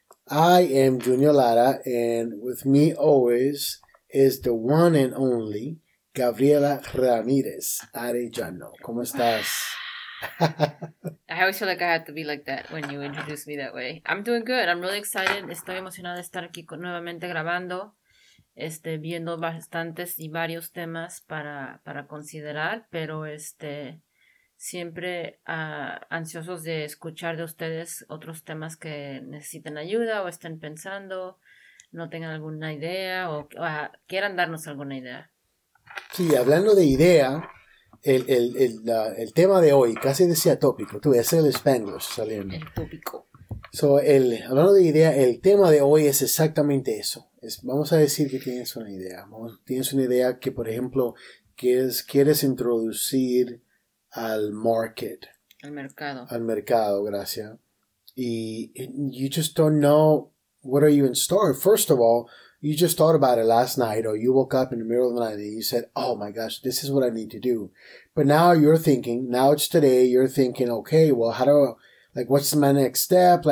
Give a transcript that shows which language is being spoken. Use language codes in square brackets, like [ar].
[en] I am Junior Lara, and with me always is the one and only Gabriela Ramirez Arellano. [es] ¿Cómo estás? [en] I always feel like I have to be like that when you introduce me that way. I'm doing good. I'm really excited. [es] Estoy emocionada de estar aquí nuevamente grabando, viendo bastantes y varios temas para considerar, pero siempre ansiosos de escuchar de ustedes otros temas que necesiten ayuda o estén pensando, no tengan alguna idea o quieran darnos alguna idea. Sí, hablando de idea, el tema de hoy, casi decía tópico, tú ves el Spanglish saliendo. El tópico. So, hablando de idea, el tema de hoy es exactamente eso. Vamos a decir que tienes una idea. Tienes una idea que, por ejemplo, quieres introducir al market. Al mercado. Al mercado, gracias. [en] And you just don't know what are you in store. First of all, you just thought about it last night, or you woke up in the middle of the night and you said, oh my gosh, this is what I need to do. But now you're thinking, now it's today, you're thinking, okay, well, what's my next step?